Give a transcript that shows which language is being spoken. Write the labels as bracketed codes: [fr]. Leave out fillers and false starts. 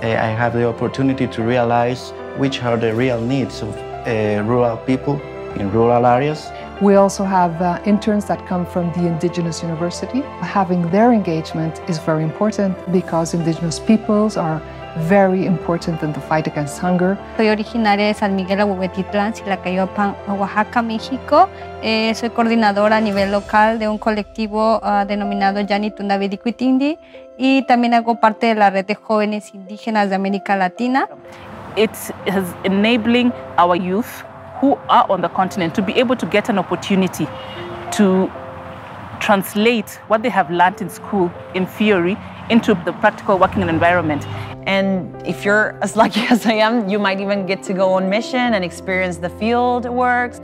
[en] I have the opportunity to realize which are the real needs of rural people in rural areas. We also have interns that come from the Indigenous University. Having their engagement is very important because Indigenous peoples are very important in the fight against hunger. [es] Soy originaria de San Miguel Huehuetitlán, Silacayopan, Oaxaca, México. Soy coordinadora a nivel local de un colectivo denominado Yani Tundavidiquitindi y también hago parte de la red de jóvenes indígenas de América Latina. [en] It's enabling our youth who are on the continent to be able to get an opportunity to translate what they have learned in school in theory into the practical working environment. And if you're as lucky as I am, you might even get to go on mission and experience the field works.